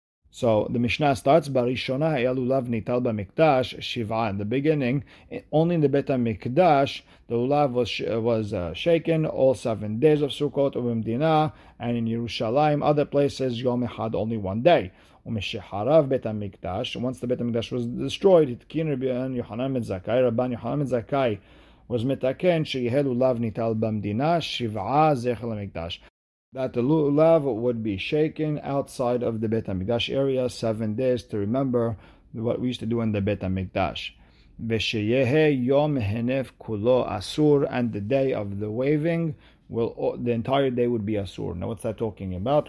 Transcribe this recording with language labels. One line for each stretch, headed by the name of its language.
English: So the Mishnah starts,
Hebrew: Barishona Hayalu Lav Nital BaMikdash Shiva.
English: In the beginning, only in the Beit HaMikdash, the Lulav was shaken all 7 days of Sukkot,
Hebrew: Ubim Dina,
English: and in Yerushalayim, other places,
Hebrew: Yom Echad,
English: only one day.
Hebrew: ומשחרב בית המקדש,
English: once the בית המקדש was destroyed,
Hebrew: התקין רבן יוחנן בן זכאי, רבן יוחנן בן זכאי, was מתקן שיהל ולב ניטל במדינה, שבעה זכר למקדש.
English: That the lulav would be shaken outside of the Beit HaMikdash area 7 days to remember what we used to do in the Beit HaMikdash.
Hebrew: V'sheyehe yom henef kulo asur,
English: and the day of the waving, will the entire day would be asur. Now what's that talking about?